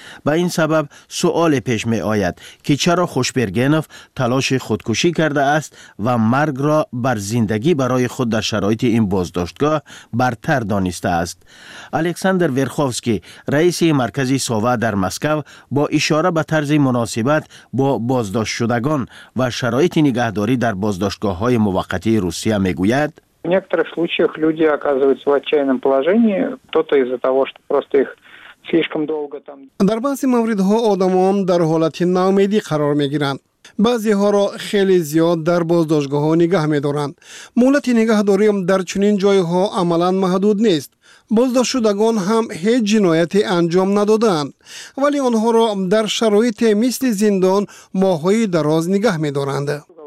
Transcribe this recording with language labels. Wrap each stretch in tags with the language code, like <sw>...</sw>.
<fa>به این سبب سؤال پیش می آید که چرا خوشبرگنف تلاش خودکشی کرده است و مرگ را بر زندگی برای خود در شرایط این بازداشتگاه برتر دانسته است. الکساندر ورخوفسکی رئیس مرکز و در مسکو با اشاره به طرز مناسبت با بازداشت شدگان و شرایط نگهداری در بازداشتگاه های موقتی روسیه می گوید</fa> <ru>в некоторых случаях люди оказываются в отчаянном положении кто-то из-за того что просто их слишком долго там</ru> <fa>در بعضی مواردها آدمان در حالت ناامیدی قرار می گیرند. بعضی ها را خیلی زیاد در بازداشتگاه ها نگه می دارند. مهلت نگهداری در چنین جای ها عملا محدود نیست. بازداشت شدگان هم هیچ جنایتی انجام ندادند، ولی آنها را در شرایط مثل زندان ماهای دراز نگه می دارند.</fa>